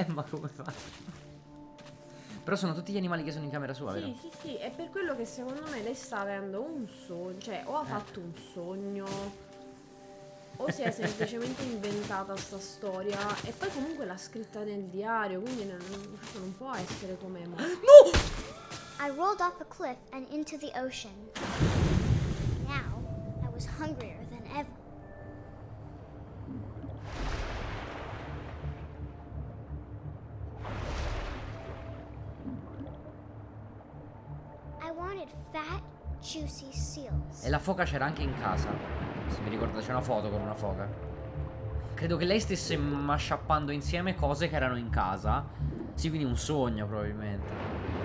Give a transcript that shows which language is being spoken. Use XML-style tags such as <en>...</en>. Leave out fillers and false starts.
<it>come fa. Però sono tutti gli animali che sono in camera sua, sì, vero? Sì, sì, sì. È per quello che secondo me lei sta avendo un sogno. Cioè, o ha fatto un sogno, o si è semplicemente inventata sta storia. E poi comunque l'ha scritta nel diario, quindi non può essere come me. No!</it> <en>I rolled off a cliff and into the ocean. Now, I was hungrier than ever. I wanted fat, juicy seals.</en> <it>E la foca c'era anche in casa. Se mi ricordo, c'è una foto con una foca. Credo che lei stesse mashuppando insieme cose che erano in casa. Sì, quindi un sogno, probabilmente.</it>